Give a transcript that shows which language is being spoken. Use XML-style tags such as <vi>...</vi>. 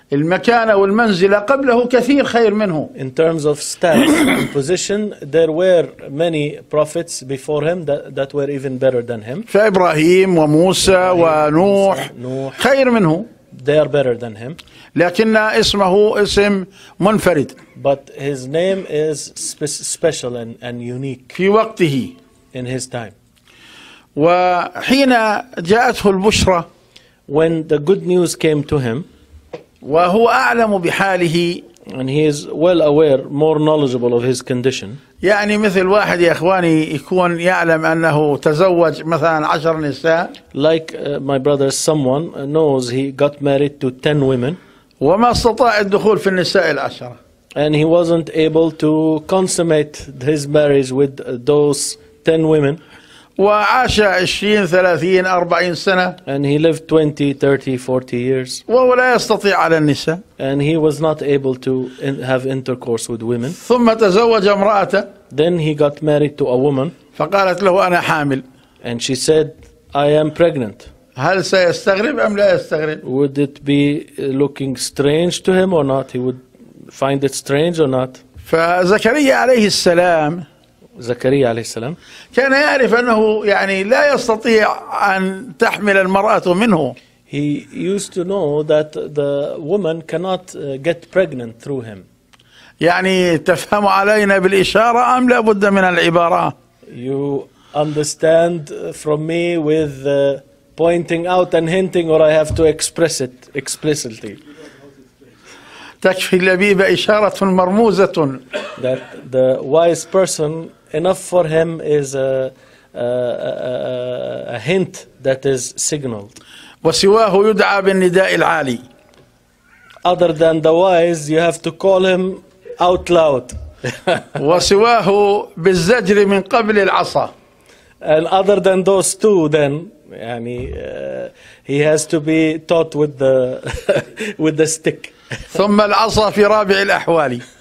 <ar>المكانة والمنزلة قبله كثير خير منه.</ar> <en>In terms of status and position, there were many prophets before him that were even better than him.</en> <ar>فإبراهيم وموسى ونوح. نوح. خير منه.</ar> <en>They are better than him.</en> <ar>لكن اسمه اسم منفرد.</ar> <en>But his name is special and unique.</en> <ar>في وقته.</ar> <en>In his time.</en> <ar>وحين جاءته البشرة.</ar> <en>When the good news came to him.</en> <ar>وهو أعلم بحاله.</ar> <en>And he is well aware, more knowledgeable of his condition.</en> <ar>يعني مثل واحد يا إخواني يكون يعلم أنه تزوج مثلاً 10 نساء.</ar> <en>Like my brother, someone knows he got married to 10 women.</en> <ar>وما استطاع الدخول في النساء العشرة.</ar> <en>And he wasn't able to consummate his marriage with those 10 women.</en> <ar>وعاش 20 30 40 سنة.</ar> <en>And he lived 20 30 40 years.</en> <ar>وهو لا يستطيع على النساء.</ar> <en>And he was not able to have intercourse with women.</en> <ar>ثم تزوج امرأة.</ar> <en>Then he got married to a woman.</en> <ar>فقالت له أنا حامل.</ar> <en>And she said, I am pregnant.</en> <ar>هل سيستغرب أم لا يستغرب؟</ar> <en>Would it be looking strange to him or not? He would find it strange or not?</en> <ar>فزكريا عليه السلام. زكريا عليه السلام كان يعرف أنه يعني لا يستطيع أن تحمل المرأة منه.</ar> <en>He used to know that the woman cannot get pregnant through him.</en> <ar>يعني تفهم علينا بالإشارة أم لا بد من العبارة؟</ar> <en>You understand from me with pointing out and hinting, or I have to express it explicitly.</en> <ar>تكفي اللبيبة إشارة مرموزة.</ar> <en>That the wise person, enough for him is a hint that is signaled.</en> <ar>وسواه يدعى بالنداء العالي.</ar> <en>Other than the wise, you have to call him out loud.</en> <ar>وسواه بالزجر من قبل العصا.</ar> <en>And other than those two, then,</en> <ar>يعني,</ar> <en>he has to be taught with the with the stick.</en> <ar>ثم العصا في رابع الأحوال.</ar>